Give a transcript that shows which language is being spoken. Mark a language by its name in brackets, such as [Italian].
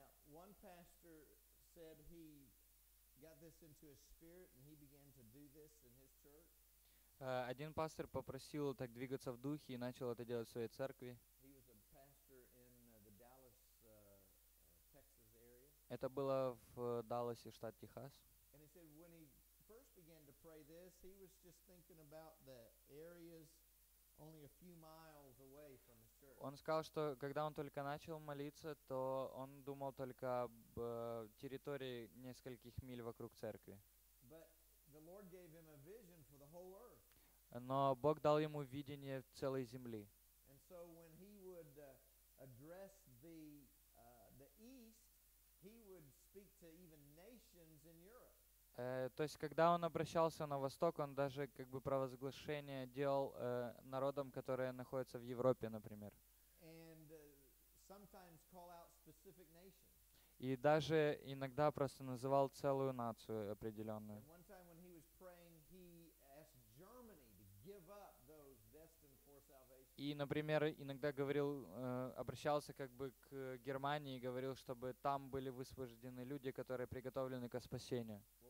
[English] One pastor said he got this into his spirit and he began to do this in his church. [Russian] Один пастор попросил так двигаться в духе и начал это делать в своей церкви. [English] He was a pastor in the Dallas, Texas area. [Russian] Это было в Далласе, штат Техас. [English] And he said when he first began to pray this, he was just thinking about the areas only a few miles away from the church. [Russian] Он сказал, что когда он только начал молиться, то он думал только об территории нескольких миль вокруг церкви. [English] But the Lord gave him a vision for the whole earth. [Russian] Но Бог дал ему видение целой земли. [English] And so when he would address the east, he would speak to even nations in Europe. [Russian] То есть, когда он обращался на восток, он даже как бы провозглашение делал народам, которые находятся в Европе, например. [English] And, sometimes call out specific nations. [Russian] И даже иногда просто называл целую нацию определенную. [English] And one time when he was praying, he asked Germany to give up those destined for salvation. [Russian] И, например, иногда говорил, обращался как бы к Германии и говорил, чтобы там были высвобождены люди, которые приготовлены ко спасению.